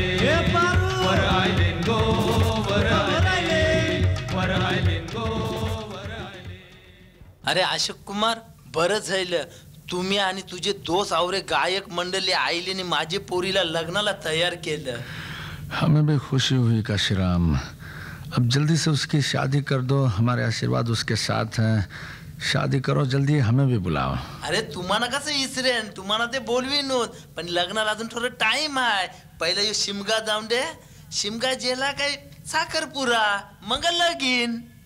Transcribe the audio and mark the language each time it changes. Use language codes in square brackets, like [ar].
[mr] ए पारू वर आइलेन गो वर आइलेन वर आइलेन गो वर आइलेन अरे अशोक कुमार बर झाले तुम्ही आणि तुझे दोस्त आवरे गायक मंडळी आईले ने माझे पोरीला लग्नाला तयार केलं [hi] हमें भी खुशी हुई काशीराम अब जल्दी से उसकी शादी कर दो हमारे आशीर्वाद उसके साथ हैं शादी करो जल्दी हमें भी बुलाओ [mr] अरे तुम्हाला कसं इसरेन तुम्हाला ते बोलवी नो पण लग्नाला अजून थोडं टाइम आहे पहिले यो शिमगा जाऊ दे शिमगा जेला काय साखरपुरा मग लगीन